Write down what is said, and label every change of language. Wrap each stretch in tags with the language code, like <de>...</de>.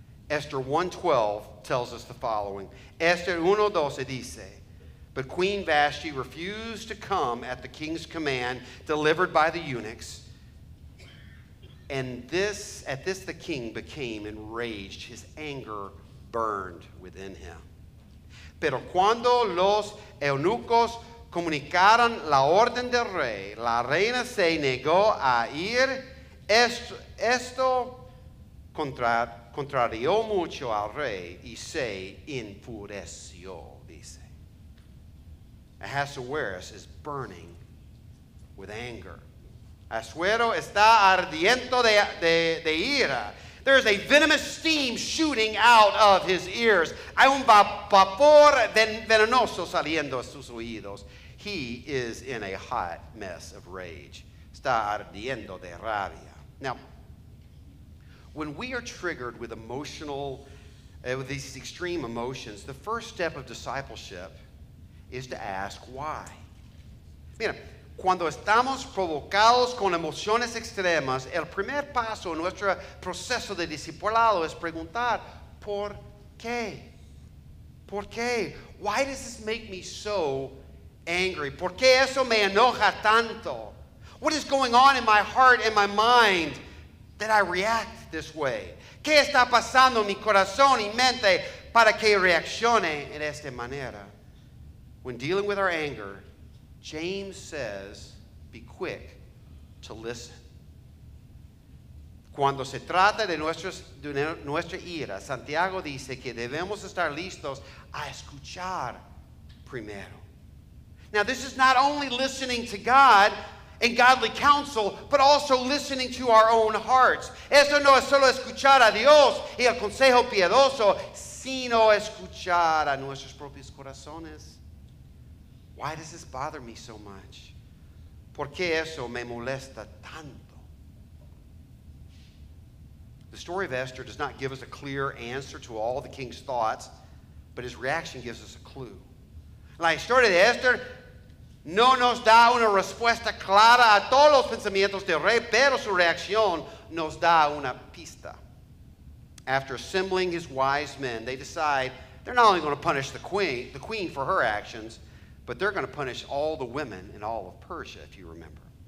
<en>Esther 1:12 tells us the following. Esther 1:12 dice, but Queen Vashti refused to come at the king's command delivered by the eunuchs. And at this the king became enraged. His anger burned within him.</en> <es>Pero cuando los eunucos comunicaron la orden del rey, la reina se negó a ir. Esto contrarió mucho al rey y se enfureció, dice.</es> <en>Ahasuerus is burning with anger.</en> <es>Ahasuero está ardiendo de ira.</es> <en>There is a venomous steam shooting out of his ears.</en> <es>Hay un vapor venenoso saliendo de sus oídos.</es> <en>He is in a hot mess of rage.</en> <es>Está ardiendo de rabia.</es> <en>Now, when we are triggered with emotional, with these extreme emotions, the first step of discipleship is to ask why.</en> <es>Mira, cuando estamos provocados con emociones extremas, el primer paso en nuestro proceso de discipulado es preguntar, ¿por qué? ¿Por qué?</es> <en>Why does this make me so angry?</en> <es>¿Por qué eso me enoja tanto?</es> <en>What is going on in my heart and my mind that I react this way?</en> <es>¿Qué está pasando en mi corazón y mente para que reaccione en esta manera?</es> <en>When dealing with our anger, James says, be quick to listen.</en> <es>Cuando se trata de nuestra ira, Santiago dice que debemos estar listos a escuchar primero.</es> <en>Now, this is not only listening to God and godly counsel, but also listening to our own hearts.</en> <es>Esto no es solo escuchar a Dios y el consejo piadoso, sino escuchar a nuestros propios corazones.</es> <en>Why does this bother me so much?</en> <es>¿Por qué eso me molesta tanto?</es> <en>The story of Esther does not give us a clear answer to all the king's thoughts, but his reaction gives us a clue.</en> <es>La historia de Esther no nos da una respuesta clara a todos los pensamientos del rey, pero su reacción nos da una pista.</es> <en>After assembling his wise men, they decide they're not only going to punish the queen for her actions, but they're going to punish all the women in all of Persia, if you remember.</en>